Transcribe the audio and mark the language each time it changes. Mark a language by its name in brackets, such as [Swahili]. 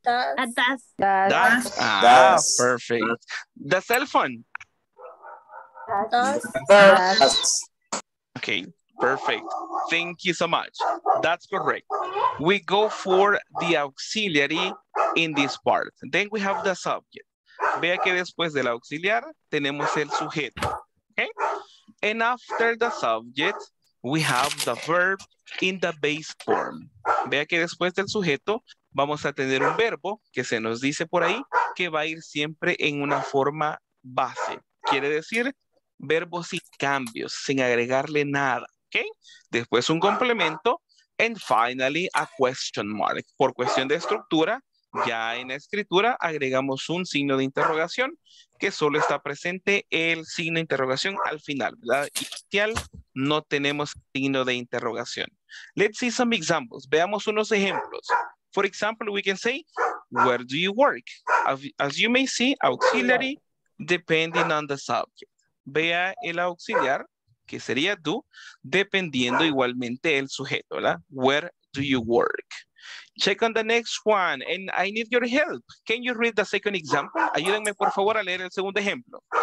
[English] Does. Perfect. The cell phone? Does. Okay, perfect. Thank you so much. That's correct. We go for the auxiliary in this part. Then we have the subject. [Spanish] Vea que después del auxiliar tenemos el sujeto. [English] Okay? And after the subject, we have the verb in the base form. [Spanish] Vea que después del sujeto vamos a tener un verbo que se nos dice por ahí que va a ir siempre en una forma base. Quiere decir verbo sin cambios, sin agregarle nada. ¿Okay? Después un complemento. [English] And finally, a question mark. [Spanish] Por cuestión de estructura, ya en la escritura agregamos un signo de interrogación que solo está presente el signo de interrogación al final. La inicial no tenemos signo de interrogación. [English] Let's see some examples. [Spanish] Veamos unos ejemplos. [English] For example, we can say, where do you work? As you may see, auxiliary, depending on the subject. [Spanish] Vea el auxiliar, que sería do, dependiendo igualmente el sujeto, ¿verdad? [English] Where do you work? Check on the next one, and I need your help. Can you read the second example? [Spanish] Ayúdenme, por favor, a leer el segundo ejemplo.